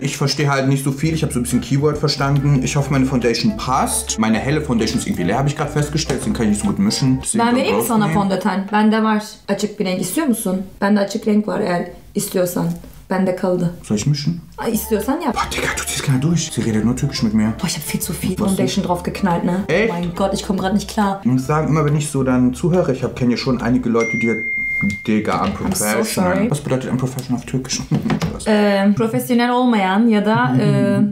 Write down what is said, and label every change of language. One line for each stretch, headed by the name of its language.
German: Ich verstehe halt nicht so viel. Ich habe so ein bisschen Keyword verstanden. Ich hoffe, meine Foundation passt. Meine helle Foundation ist irgendwie leer, habe ich gerade festgestellt. Den kann ich nicht so gut mischen.
Turkish: Ben vereyim sana fondöten. Bende var açık bir renk. İstiyor musun? Bende açık renk var eğer istiyorsan. Bende kaldı.
German: Soll ich mischen?
Turkish: İstiyorsan yap.
German: Boah, Digga, du ziehst keiner durch. Sie redet nur türkisch mit mir. Boah, ich hab viel zu viel Foundation drauf geknallt, ne? Echt? Oh mein Gott, ich komme gerade nicht klar. Ich muss sagen, immer wenn ich so dann zuhöre, ich kenne ja schon einige Leute, die Digga, unprofessional.
English: I'm so sorry.
German: Was bedeutet unprofessional auf Türkisch? Professionell, oh man, ja da.